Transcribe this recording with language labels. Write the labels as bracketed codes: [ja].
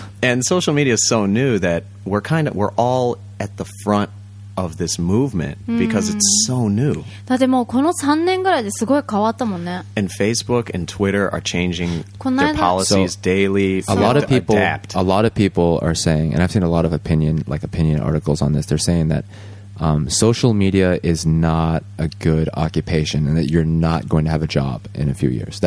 [en] And social media is so new that we're all at the front of this movement because it's so new. [ja] だってもうこの3年ぐらいですごい変わったもんね。 [en] And Facebook and Twitter are changing their policies daily. A lot of people are saying, and I've seen a lot of opinion articles on this, they're saying that social media is not a good occupation and that you're not going to have a job in a few years.